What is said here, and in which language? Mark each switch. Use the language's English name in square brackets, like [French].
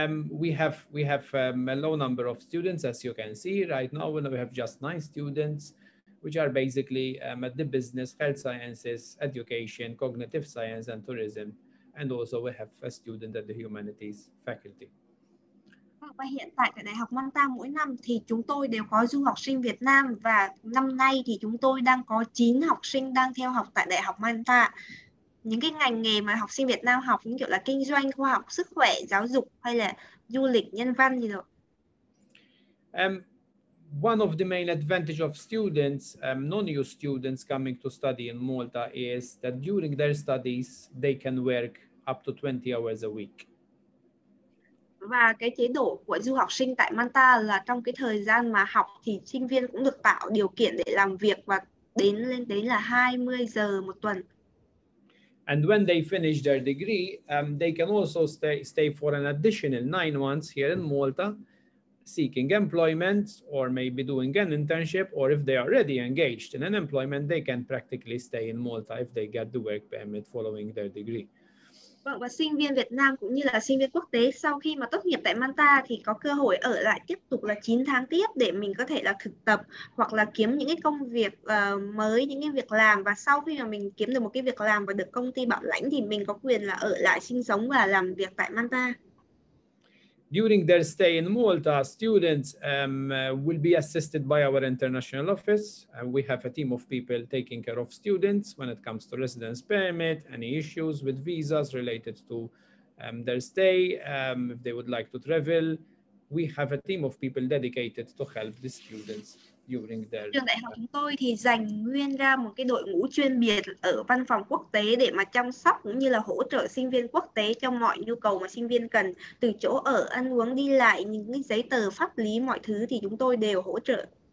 [English] We have a low number of students, as you can see right now, when we have just 9 students, which are basically at the business, health sciences, education, cognitive science, and tourism. And also we have a student at the humanities faculty. [Vietnamese] Và hiện tại tại Đại học Malta mỗi năm thì chúng tôi đều có du học sinh Việt Nam và năm nay thì chúng tôi đang có 9 học sinh đang theo học tại Đại học Malta. Những cái ngành nghề mà học sinh Việt Nam học như kiểu là kinh doanh, khoa học, sức khỏe, giáo dục hay là du lịch, nhân văn gì đó. [English] One of the main advantage of students, non-EU students coming to study in Malta is that during their studies they can work up to 20 hours a week. [Vietnamese] Và cái chế độ của du học sinh tại Malta là trong cái thời gian mà học thì sinh viên cũng được tạo điều kiện để làm việc và đến lên đến là 20 giờ một tuần. [English] And when they finish their degree, they can also stay for an additional 9 months here in Malta, seeking employment or maybe doing an internship, or if they are already engaged in an employment, they can practically stay in Malta if they get the work permit following their degree. [Vietnamese] Và sinh viên Việt Nam cũng như là sinh viên quốc tế sau khi mà tốt nghiệp tại Malta thì có cơ hội ở lại tiếp tục là 9 tháng tiếp để mình có thể là thực tập hoặc là kiếm những cái công việc mới, những cái việc làm. Và sau khi mà mình kiếm được một cái việc làm và được công ty bảo lãnh thì mình có quyền là ở lại sinh sống và làm việc tại Malta. [English] During their stay in Malta, students will be assisted by our international office. We have a team of people taking care of students when it comes to residence permit, any issues with visas related to their stay, if they would like to travel. We have a team of people dedicated to help the students during their [Vietnamese] trường đại học chúng tôi thì dành nguyên ra một cái đội ngũ chuyên biệt ở văn phòng quốc tế để mà chăm sóc cũng như là hỗ trợ sinh viên quốc tế cho mọi nhu cầu mà sinh viên cần, từ chỗ ở, ăn uống, đi lại, những cái giấy tờ pháp lý, mọi thứ thì chúng tôi đều hỗ trợ.